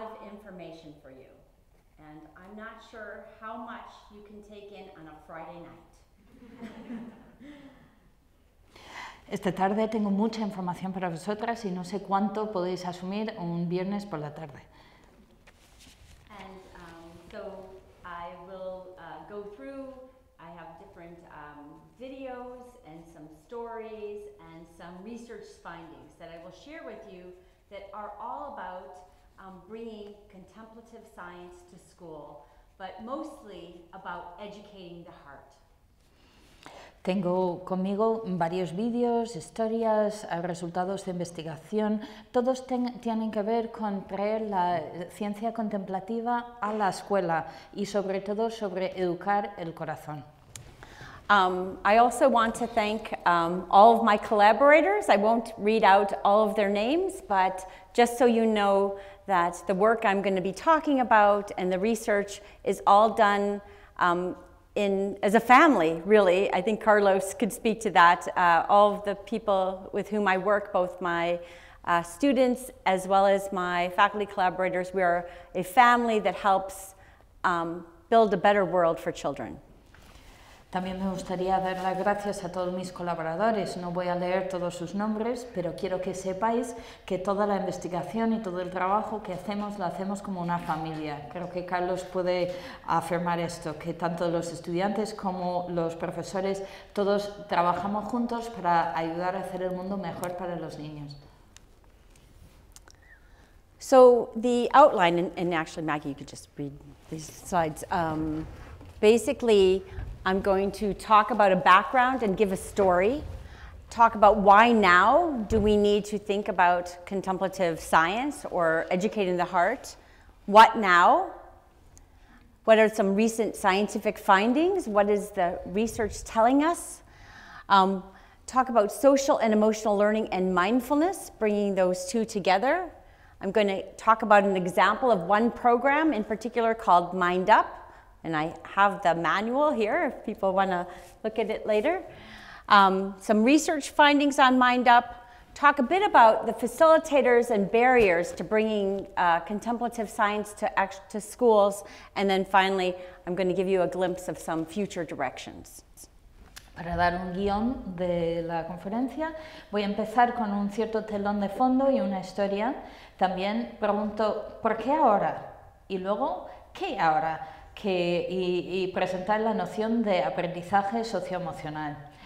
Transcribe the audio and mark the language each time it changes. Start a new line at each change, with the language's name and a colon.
English: information for you, and I'm not sure how much you can take in on a Friday night.
Spanish: Esta tarde tengo mucha información para vosotras y no sé cuánto podéis asumir un viernes por la tarde.
English: And so I will go through, I have different videos and some stories and some research findings that I will share with you that are all about bringing contemplative science to school, but mostly about educating the heart.
Spanish: Tengo conmigo varios vídeos, historias, resultados de investigación. Todos tienen que ver con traer la ciencia contemplativa a la escuela y sobre todo sobre educar el corazón.
English: I also want to thank all of my collaborators. I won't read out all of their names, but just so you know that the work I'm going to be talking about and the research is all done as a family, really. I think Carlos could speak to that. All of the people with whom I work, both my students as well as my faculty collaborators, we are a family that helps build a better world for children.
Spanish: También me gustaría dar las gracias a todos mis colaboradores. No voy a leer todos sus nombres, pero quiero que sepáis que toda la investigación y todo el trabajo que hacemos, lo hacemos como una familia. Creo que Carlos puede afirmar esto, que tanto los estudiantes como los profesores, todos trabajamos juntos para ayudar a hacer el mundo mejor para los niños.
English: So, the outline, and actually, Maggie, you could just read these slides. Basically, I'm going to talk about a background and give a story, talk about why now do we need to think about contemplative science or educating the heart, what now, what are some recent scientific findings, what is the research telling us, talk about social and emotional learning and mindfulness, bringing those two together. I'm going to talk about an example of one program in particular called Mind Up. And I have the manual here if people want to look at it later. Some research findings on Mind Up. Talk a bit about the facilitators and barriers to bringing contemplative science to schools. And then finally, I'm going to give you a glimpse of some future directions.
Spanish: Para dar un guión de la conferencia, voy a empezar con un cierto telón de fondo y una historia. También pregunto, ¿por qué ahora? Y luego, ¿qué ahora? Y presentar la noción de aprendizaje socioemocional.